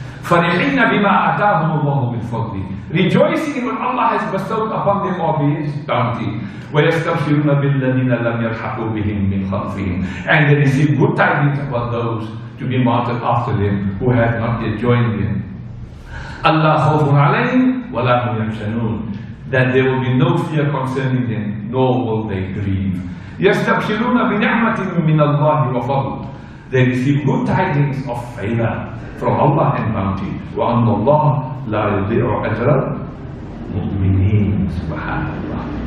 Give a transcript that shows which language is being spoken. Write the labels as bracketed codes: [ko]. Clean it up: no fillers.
[ar] فَرِحِينَ بِمَا أَتَاهُمُ اللَّهُ مِنْ فَضْلِهِ. [en] Rejoicing in what Allah has bestowed upon them of His bounty. [ar] وَيَسْتَغْفِرُونَ بِالَّذِينَ لَمْ يَلْحَقُوا بِهِمْ مِنْ خَلْفِهِمْ. [en] And they receive good tidings about those to be martyred after them who have not yet joined them. [ar] Allah خَوْفٌ عَلَيْهِمْ وَلَا هُمْ يَحْزَنُونَ. [en] That there will be no fear concerning them, nor will they grieve. [ar] يَسْتَبْشِرُونَ بِنِعْمَةٍ مِّنَ اللَّهِ وَفَضْلٍ. [en] They receive good tidings of favor from Allah and bounty. [ar] وَأَنَّ اللَّهَ لَا يُضِيعُ أَجْرَ الْمُؤْمِنِينَ. SubhanAllah.